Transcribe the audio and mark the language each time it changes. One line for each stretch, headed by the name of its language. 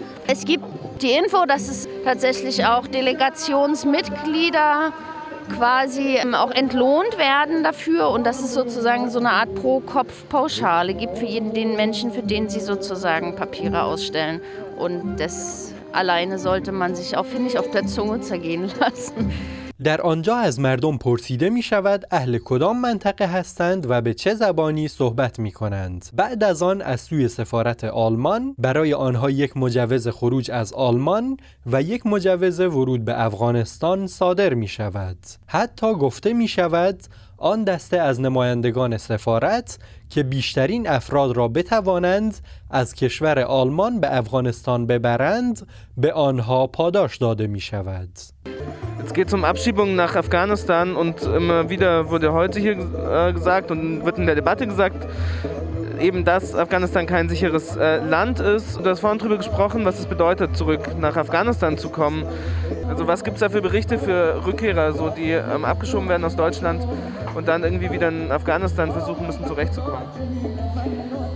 German: Es gibt die Info, dass es tatsächlich auch Delegationsmitglieder quasi auch entlohnt werden dafür und dass es sozusagen so eine Art Pro-Kopf-Pauschale gibt für jeden den Menschen, für den sie sozusagen Papiere ausstellen. Und das alleine sollte man sich auch, finde ich, auf der Zunge zergehen lassen.
Persian: در آنجا از مردم پرسیده می شود اهل کدام منطقه هستند و به چه زبانی صحبت می کنند. بعد از آن از سوی سفارت آلمان برای آنها یک مجوز خروج از آلمان و یک مجوز ورود به افغانستان صادر می شود. حتی گفته می شود آن دسته از نمایندگان سفارت که بیشترین افراد را بتوانند از کشور آلمان به افغانستان ببرند به آنها پاداش داده می شود.
German: Es geht um Abschiebungen nach Afghanistan und immer wieder wurde heute hier gesagt und wird in der Debatte gesagt, eben dass Afghanistan kein sicheres Land ist. Du hast vorhin darüber gesprochen, was es bedeutet, zurück nach Afghanistan zu kommen. Also was gibt es da für Berichte für Rückkehrer, so, die abgeschoben werden aus Deutschland und dann irgendwie wieder in Afghanistan versuchen müssen, zurechtzukommen?